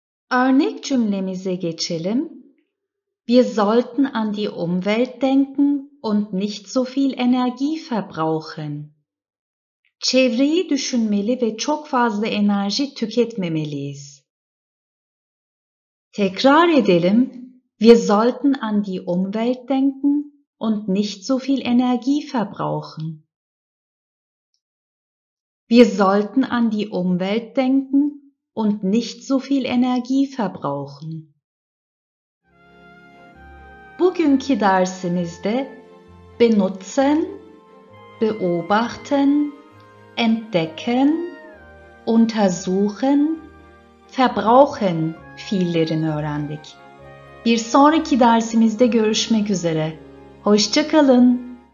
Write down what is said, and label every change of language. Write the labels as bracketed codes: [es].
[tr] Örnek cümlemize geçelim. [de] Wir sollten an die Umwelt denken und nicht so viel Energie verbrauchen. [tr] Çevreyi düşünmeli ve çok fazla enerji tüketmemeliyiz. Tekrar edelim. [de] Wir sollten an die Umwelt denken und nicht so viel Energie verbrauchen. Wir sollten an die Umwelt denken und nicht so viel Energie verbrauchen. [tr] Bugünkü dersimizde [de] benutzen, beobachten, entdecken, untersuchen, verbrauchen [tr] fiillerini öğrendik. Bir sonraki dersimizde görüşmek üzere. Hoşça kalın.